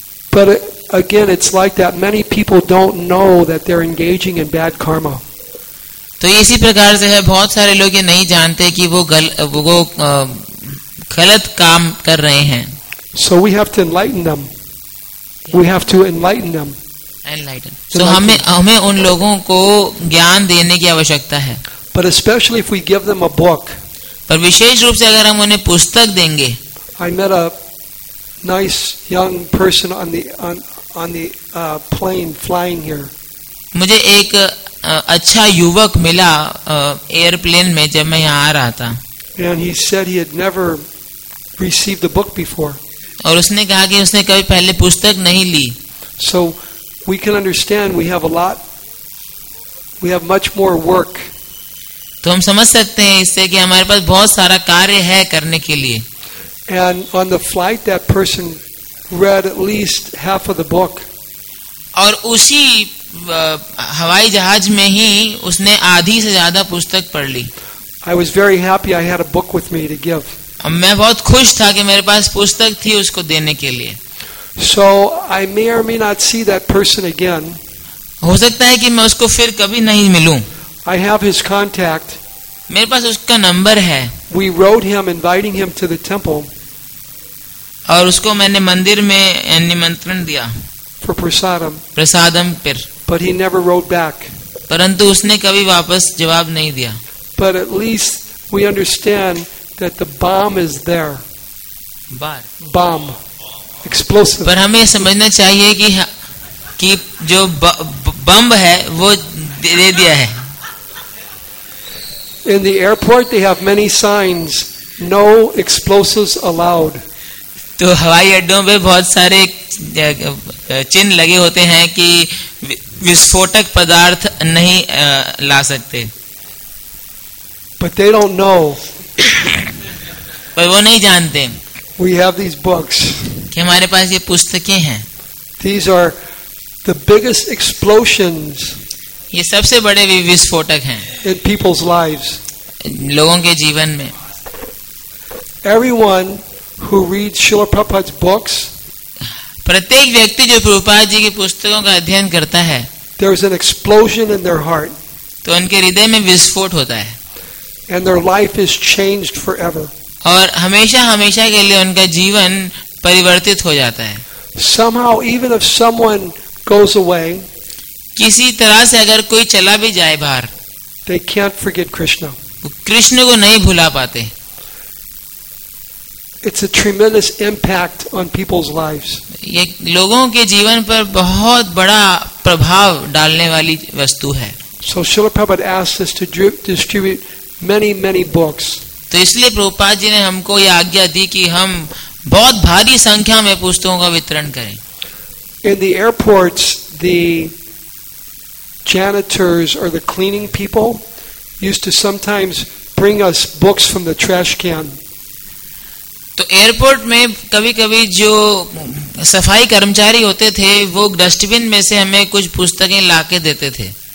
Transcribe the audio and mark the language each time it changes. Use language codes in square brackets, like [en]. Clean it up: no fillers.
[en] But again, it's like that. Many people don't know that they're engaging in bad karma. [hi] तो इसी प्रकार से है बहुत सारे लोग ये नहीं जानते कि वो गलत काम कर रहे हैं. [en] So we have to enlighten them. We have to enlighten them. Enlighten. [hi] So हमें उन लोगों को ज्ञान देने की आवश्यकता है. [en] But especially if we give them a book. [hi] पर विशेष रूप से अगर हम उन्हें पुस्तक देंगे. [en] I met a nice young person on the plane flying here. [hi] मुझे एक अच्छा युवक मिला एयरप्लेन में जब मैं यहाँ आ रहा था. [en] And he said he had never received a book before. [hi] और उसने कहा कि उसने कभी पहले पुस्तक नहीं ली. [en] So we can understand we have much more work. [hi] तो हम समझ सकते हैं इससे कि हमारे पास बहुत सारा कार्य है करने के लिए. [en] And on the flight, that person read at least half of the book. [hi] और उसी हवाई जहाज में ही उसने आधी से ज्यादा पुस्तक पढ़ ली. [en] I was very happy I had a book with me to give. [hi] मैं बहुत खुश था कि मेरे पास पुस्तक थी उसको देने के लिए. [en] So I may or may not see that person again. [hi] हो सकता है कि मैं उसको फिर कभी नहीं मिलूं. [en] I have his contact. [hi] मेरे पास उसका नंबर है. [en] We wrote him inviting him to the temple. [hi] और उसको मैंने मंदिर में निमंत्रण दिया. [en] For prasadam. [hi] प्रसादम पर. [en] But he never wrote back. [hi] परंतु उसने कभी वापस जवाब नहीं दिया. [en] But at least we understand that the bomb is there. बार. Bomb. Explosive. [hi] पर हमें समझना चाहिए कि जो बम है वो दे दिया है. [en] In the airport, they have many signs: "No explosives allowed." [hi] तो हवाई अड्डों पे बहुत सारे चिन्ह लगे होते हैं कि विस्फोटक पदार्थ नहीं ला सकते. [en] But they don't know. [hi] पर वो नहीं जानते. [en] We have these books. [hi] कि हमारे पास ये पुस्तकें हैं. [en] These are the biggest explosions. [hi] ये सबसे बड़े विस्फोटक हैं. [en] In people's lives. [hi] लोगों के जीवन में. [en] Everyone who reads Srila Prabhupada's books. [hi] प्रत्येक व्यक्ति जो प्रभुपाद जी की पुस्तकों का अध्ययन करता है. [en] There is an explosion in their heart. [hi] तो उनके हृदय में विस्फोट होता है. [en] And their life is changed forever. [hi] और हमेशा हमेशा के लिए उनका जीवन परिवर्तित हो जाता है. [en] Somehow, even if someone goes away. [hi] किसी तरह से अगर कोई चला भी जाए बाहर, [en] they can't forget Krishna. [hi] Krishna को नहीं भुला पाते. [en] It's a tremendous impact on people's lives. [hi] ये लोगों के जीवन पर बहुत बड़ा प्रभाव डालने वाली वस्तु है. [en] So Srila Prabhupada asked us to distribute many, many books. [hi] तो इसलिए प्रभुपाद जी ने हमको ये आज्ञा दी कि हम बहुत भारी संख्या में पुस्तकों का वितरण करें. [en] In the airports, the janitors or the cleaning people used to sometimes bring us books from the trash can. [hi] तो एयरपोर्ट में कभी कभी जो सफाई कर्मचारी होते थे वो डस्टबिन में से हमें कुछ पुस्तकें ला के देते थे.